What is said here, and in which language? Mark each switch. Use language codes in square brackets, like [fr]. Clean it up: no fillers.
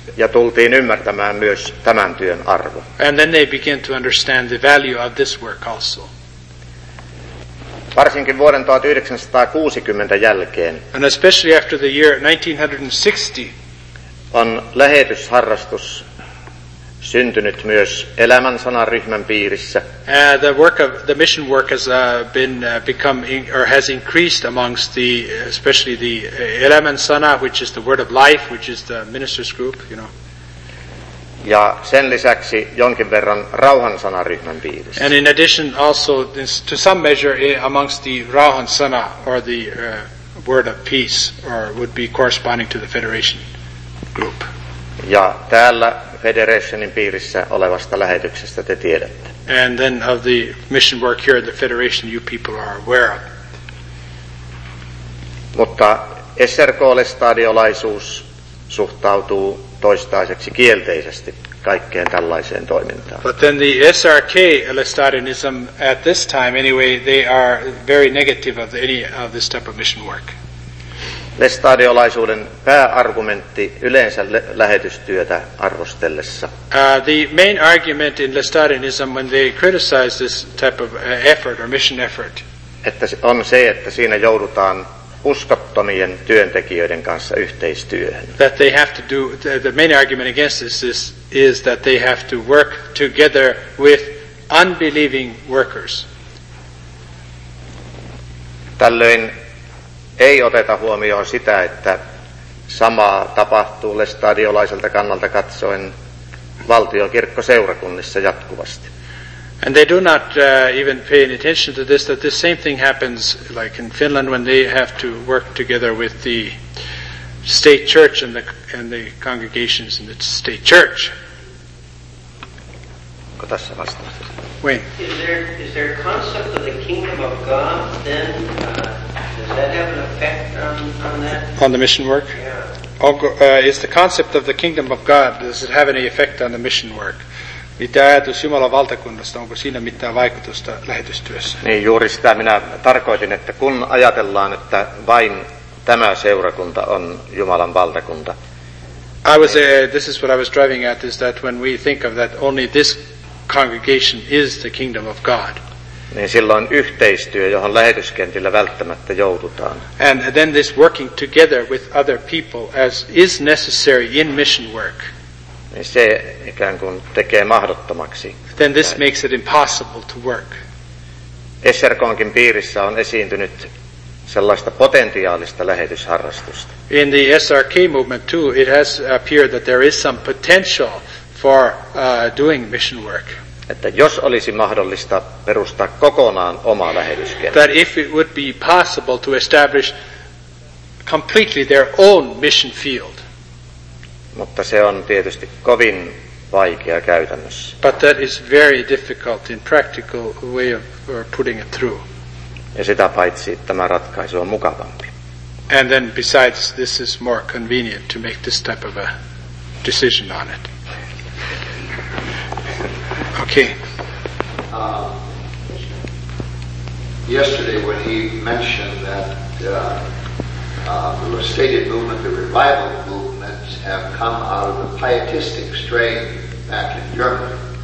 [fi] Ja tultiin ymmärtämään myös tämän työn arvo. [en] And then they began to understand the value of this work also. [fi] Varsinkin vuoden 1960 jälkeen. [en] And especially after the year 1960. [fi] On lähetysharrastus syntynyt myös elämän sanaryhmän piirissä. [en] The work of the mission work has been become in, or has increased amongst the especially the elämän sana, which is the word of life, which is the ministers group, you know. [fi] Ja sen lisäksi jonkin verran rauhan sanaryhmän piirissä. [en] And in addition also this, to some measure amongst the rauhan sana or the word of peace or would be corresponding to the federation. Group. [fi] Ja täällä Federationin piirissä olevasta lähetyksestä te tiedätte. [en] And then of the mission work here at the Federation you people are aware of. [fi] Mutta SRK-stadiolaisuus suhtautuu toistaiseksi kielteisesti kaikkeen tällaiseen toimintaan. [en] But then the SRK-stadionism at this time anyway, they are very negative of any of this type of mission work. [fi] Lestadiolaisuuden pääargumentti yleensä lähetystyötä arvostellessa. [en] The main argument in Lestadianism when they criticize this type of effort or mission effort. [fi] Että on se, että siinä joudutaan uskottomien työntekijöiden kanssa yhteistyöhön. [en] That they have to do, the main argument against this is that they have to work together with unbelieving workers. [fi] Tällöin ei oteta huomioon sitä, että samaa tapahtuu lestadiolaiselta kannalta katsoen valtiokirkkoseurakunnissa jatkuvasti. [en] And they do not even pay any attention to this, that the same thing happens like in Finland when they have to work together with the state church and the congregations in the state church. [fi] Onko tässä vastaus? [en] Is there a concept of the kingdom of God then? Does that have an effect on that? On the mission work? Yeah. is the concept of the kingdom of God, does it have any effect on the mission work? [fi] Mitä ajatus Jumalan valtakunnasta, onko siinä mitään vaikutusta lähetystyössä? Niin, juuri sitä minä tarkoitin, että kun ajatellaan, että vain tämä seurakunta on Jumalan valtakunta. [en] I was a, this is what I was driving at, is that when we think of that only this congregation is the kingdom of God. [fi] Niin silloin yhteistyö, johon lähetyskentillä välttämättä joudutaan. [en] And then this working together with other people as is necessary in mission work. [fi] Niin se ikään kuin tekee mahdottomaksi. [en] Then this makes it impossible to work. [fi] SRK:nkin piirissä on esiintynyt sellaista potentiaalista lähetysharrastusta. [en] In the SRK movement too, it has appeared that there is some potential for doing mission work. [fi] Että jos olisi mahdollista perustaa kokonaan oma lähetyskenttä. [en] That if it would be possible to establish completely their own mission field. [fi] Mutta se on tietysti kovin vaikea käytännössä. [en] But that is very difficult in practical way of putting it through. [fi] Ja sitä paitsi tämä ratkaisu on mukavampi. [en] And then besides this is more convenient to make this type of a decision on it. Okay. Yesterday when he mentioned that the restated movement, the revival movements have come out of the pietistic strain back in Germany.